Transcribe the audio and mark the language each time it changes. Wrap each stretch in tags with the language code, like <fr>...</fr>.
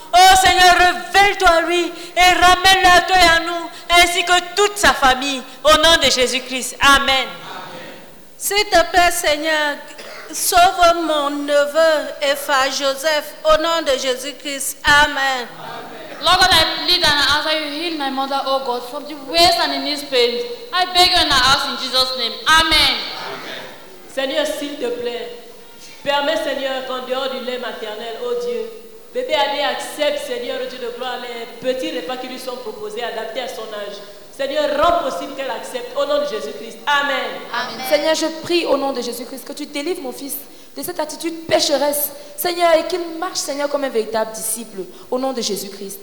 <fr>Oh Seigneur, révèle-toi à lui et ramène-le à toi et à nous, ainsi que toute sa famille, au nom de Jésus-Christ. Amen. Amen. S'il te plaît, Seigneur, sauve mon neveu Epha Joseph, au nom de Jésus-Christ. Amen. Amen.</fr> <en>Lord God, I plead and I ask that you heal my mother, oh God, from the ways and in his pain. I beg you and I ask in Jesus' name. Amen. Amen.</en> <fr>Seigneur, s'il te plaît, permets, Seigneur, qu'en dehors du lait maternel, oh Dieu, bébé Adé accepte, Seigneur, Dieu de gloire, les petits repas qui lui sont proposés, adaptés à son âge. Seigneur, rend possible qu'elle accepte, au nom de Jésus-Christ. Amen. Amen. Seigneur, je prie au nom de Jésus-Christ que tu délivres mon fils de cette attitude pécheresse, Seigneur, et qu'il marche, Seigneur, comme un véritable disciple, au nom de Jésus-Christ.</fr>